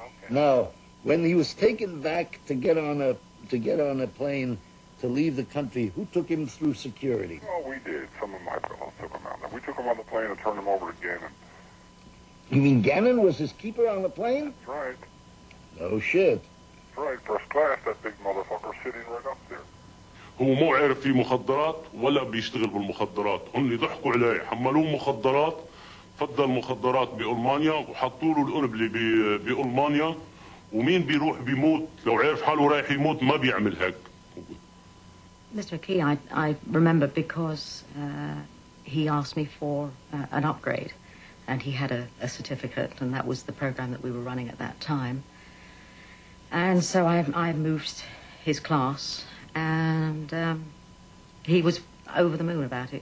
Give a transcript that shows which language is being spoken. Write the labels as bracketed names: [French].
[English] Now, when he was taken back to get on a to get on a plane to leave the country? Who took him through security? Well, we did. Some of my fellows took him out there. We took him on the plane and turned him over to Gannon. You mean Gannon was his keeper on the plane? That's right. No shit. That's right. First class, that big motherfucker sitting right up there. [Arabic] هو مو عارف في مخدرات ولا بيشتغل بالمخدرات هم اللي ضحكوا عليه حملوه مخدرات فضل مخدرات بألمانيا وحطوا له القنبله بألمانيا ومين بيروح بيموت لو عارف حاله رايح يموت ما بيعمل هيك [English] Mr. Key I remember because he asked me for an upgrade and he had a certificate and that was the program that we were running at that time and so I moved his class And he was over the moon about it.